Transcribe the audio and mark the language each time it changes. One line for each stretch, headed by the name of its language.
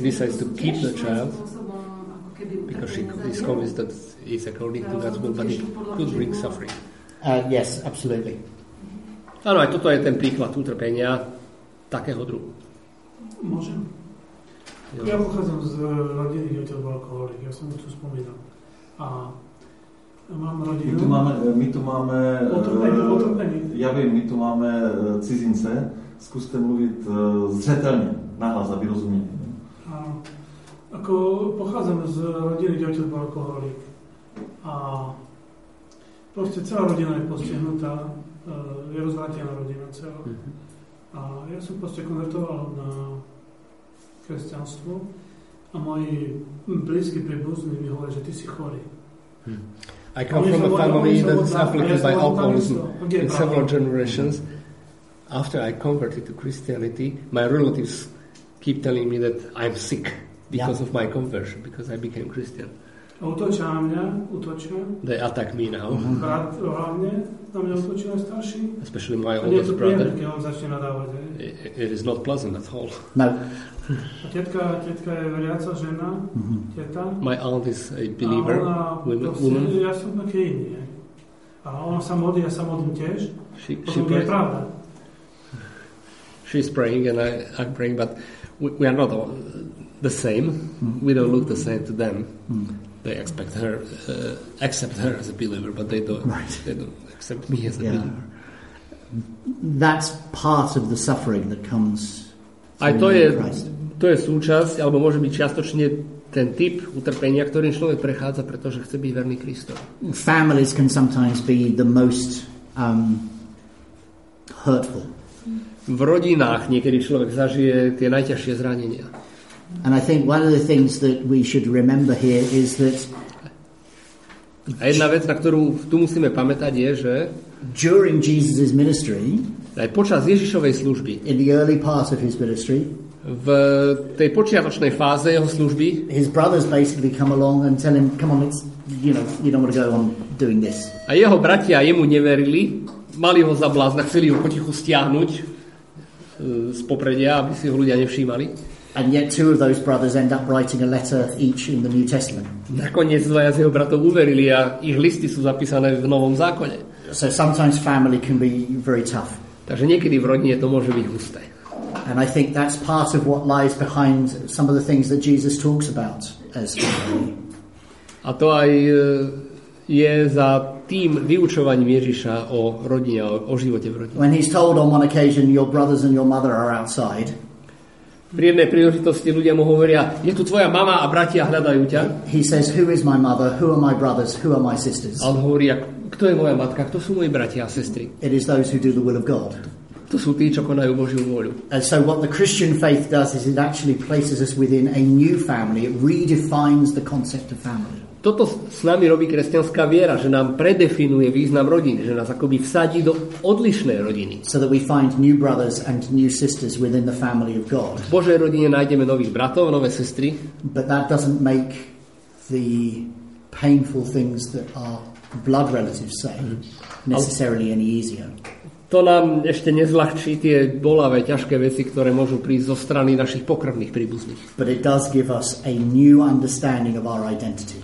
English: decides to keep the child because she is convinced that it's according to God's will, but it could bring suffering. Yes, absolutely.
Slovak: Áno, aj toto je ten príklad utrpenia takého druhu. Môžem? Ja pochádzam z rodiny, kde bol alkoholik. Ja som to spomínal. A mám rodinu. My tu máme... Otrpenie. Ja viem, my tu máme cizince. Skúste mluviť zretelne, nahlas, aby rozumieli. Ako pochádzam z rodiny, kde bol alkoholik. A proste celá rodina je postihnutá. Je rozvrátená rodina celá. A ja som proste konvertoval na kresťanstvo a moji blízky príbuzní mi hovorí, že ty si chorý.
English: I come from a family that is afflicted by alcoholism in several generations. After I converted to Christianity, my relatives keep telling me that I'm sick because of my conversion, because I became Christian.
Slovak: A utočia na mňa, utočia.
English: They attack me now.
Slovak: Brat hlavne na mňa utočia najstarší.
English: Especially my oldest brother.
Slovak: A nie je to príjemné, keď on začne nadávať.
English: It is not pleasant at all.
Slovak: No. A tetka je veriaca žena, teta.
English: My aunt is a believer.
Slovak: A ona,
English: woman.
Slovak: To si, ja som na kejni. A ona sa modlí, ja sa modlím tiež. Potom je pravda.
English: She's praying and I'm praying, but we are not all the same. Mm-hmm. We don't look the same to them. Mm-hmm. They expect her, accept her as a believer, but they don't, right. They don't accept me as a believer. That's part of the suffering that comes to Christ.
Slovak: To je súčasť, alebo môže byť čiastočne ten typ utrpenia, ktorým človek prechádza, pretože chce byť verný Kristovi.
English: Families can sometimes be the most hurtful.
Slovak: V rodinách niekedy človek zažije tie najťažšie zranenia.
English: And I think one of the things that we should remember here is that
Slovak: a jedna vec, na ktorú tu musíme pamätať, je, že
English: during Jesus' ministry,
Slovak: aj počas Ježišovej služby,
English: in the early part of his ministry,
Slovak: v tej počiatočnej fáze jeho služby,
English: his brothers basically come along and tell him, come on, it's, you know, you don't want to go on doing this.
Slovak: A jeho bratia jemu neverili, mali ho za blázna, chceli ho potichu stiahnuť z popredia, aby si ho ľudia nevšímali.
English: And yet two of those brothers end up writing a letter each in the New Testament.
Slovak: Nakoniec dvaja z jeho bratov uverili a ich listy sú zapísané v Novom zákone.
English: So sometimes family can be very tough.
Slovak: Takže niekedy v rodine to môže byť husté.
English: And I think that's part of what lies behind some of the things that Jesus talks about as family.
Slovak: A to aj je za tým vyučovaním Ježiša o rodine, o živote v rodine.
English: When he's told on one occasion your brothers and your mother are outside.
Slovak: Pri jednej príležitosti ľudia mu hovoria, je tu tvoja mama a bratia hľadajú ťa.
English: He says, who is my mother, who are my brothers, who are my sisters?
Slovak: A on hovorí, kto je moja matka, kto sú moji bratia a sestry?
English: It is those who do the will of God.
Slovak: To sú tí, čo konajú Božiu vôľu.
English: And so what the Christian faith does is it actually places us within a new family. It redefines the concept of family.
Slovak: Toto s nami robí kresťanská viera, že nám predefinuje význam rodiny, že nás akoby vsadí do odlišnej rodiny.
English: So that we find new brothers and new sisters within the family of God.
Slovak: V Božej rodine nájdeme nových bratov, nové sestry.
English: But that doesn't make the painful things that are blood relatives say necessarily any easier.
Slovak: To nám ešte nezľahčí tie bolavé, ťažké veci, ktoré môžu prísť zo strany našich pokrvných príbuzných.
English: But it does give us a new understanding of our identity.